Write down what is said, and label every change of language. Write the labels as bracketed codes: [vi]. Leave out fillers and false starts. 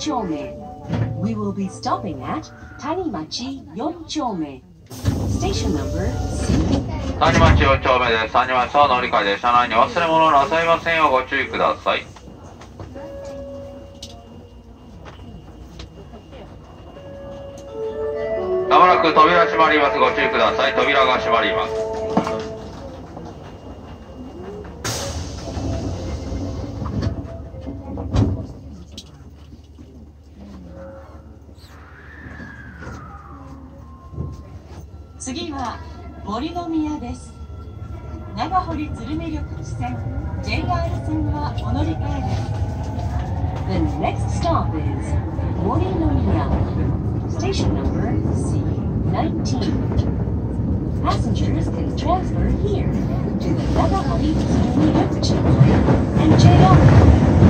[en] We will be stopping at 谷町4丁目。 Station number C。 [ja] 谷町4丁目です。谷町は乗り換えで、車内に忘れ物なさいませんようご注意ください。まもなく扉閉まります。ご注意ください。扉が閉まります。次は森の宮です。長堀鶴見緑地線、 JR 線はお乗り換えです。 [en] The next stop is 森の宮。 Station number C19. Passengers can transfer here to the 長堀鶴見緑地線 and JR。